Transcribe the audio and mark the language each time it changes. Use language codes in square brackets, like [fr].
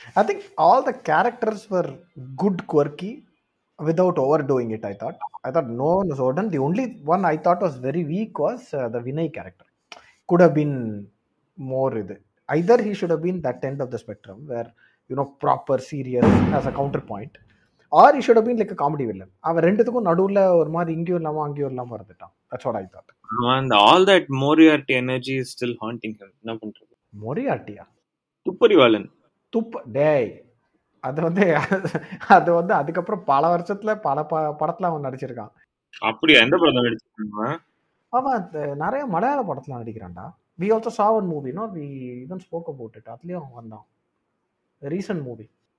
[en] I think all the characters were good, quirky, without overdoing it, I thought. I thought no one was overdone. The only one I thought was very weak was the Vinay character. Could have been more. Either he should have been that end of the spectrum where you know, proper, serious as a counterpoint. Or he should have been like a comedy villain. [ta] அவன் ரெண்டுத்துக்கும் நடுவில் ஒரு மாதிரி இங்கேயும் இல்லாமல் அங்கேயும் இல்லாமல் இருந்துட்டான். [en] That's what I thought. And all that Moriarty energy is still haunting him. [ta] என்ன பண்ணுறது? மோரியார்ட்டியா? துப்பறிவாளன். டேய், அது வந்து அதுக்கப்புறம் பல வருஷத்துல பல படத்துல அவன் நடிச்சிருக்கான். அப்படியா? எந்த படம் நடிச்சிருக்கான்? அவன் நிறைய மலையாள படத்துல நடிக்கிறான்டா. [en] We also saw one movie, no? We even spoke about it. [ta] அதுலயும் வந்தான். [en] A recent movie.